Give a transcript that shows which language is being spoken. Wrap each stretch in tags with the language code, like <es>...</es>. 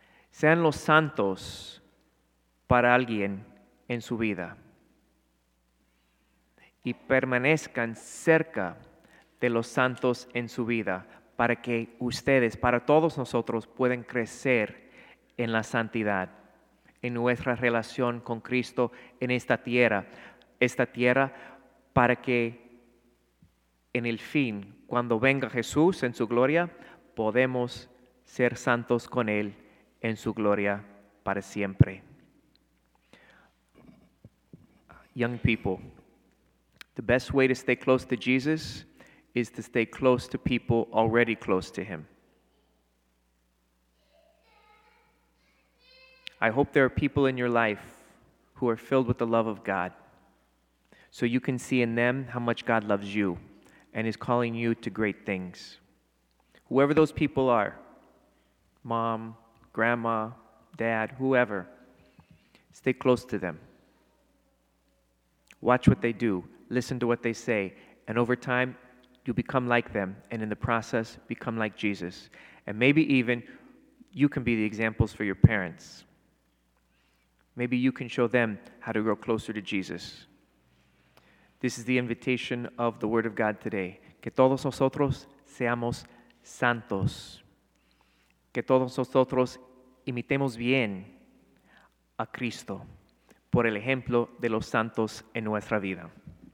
<es>Sean los santos para alguien en su vida y permanezcan cerca de los santos en su vida para que ustedes, para todos nosotros, puedan crecer en la santidad, en nuestra relación con Cristo en esta tierra para que en el fin, cuando venga Jesús en su gloria, podemos ser santos con Él en su gloria para siempre.</es> <en>Young people, the best way to stay close to Jesus is to stay close to people already close to Him. I hope there are people in your life who are filled with the love of God, so you can see in them how much God loves you and is calling you to great things. Whoever those people are, mom, grandma, dad, whoever, stay close to them. Watch what they do, listen to what they say, and over time, you become like them, and in the process, become like Jesus. And maybe even, you can be the examples for your parents. Maybe you can show them how to grow closer to Jesus. This is the invitation of the Word of God today.</en> <es>Que todos nosotros seamos santos. Que todos nosotros imitemos bien a Cristo por el ejemplo de los santos en nuestra vida.</es>